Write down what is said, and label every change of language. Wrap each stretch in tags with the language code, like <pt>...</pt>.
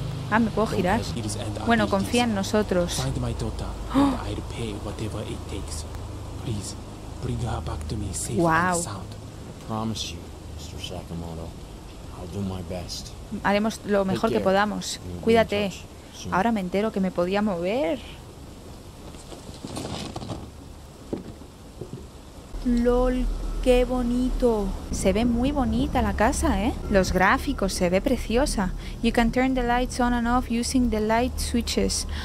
<es>Ah, ¿me puedo girar? Bueno, confía en nosotros.</es> <en>Find my daughter, and I'll pay whatever it takes. Please, bring her back to me safe and sound. I promise you, Mr. Sakamoto, I'll do my best.</en> <es>Haremos lo mejor que podamos. Cuídate. Ahora me entero que me podía mover. ¡Lol! ¡Qué bonito! Se ve muy bonita la casa, ¿eh? Los gráficos, se ve preciosa.</es> <en>You can turn the lights on and off using the light switches.</en>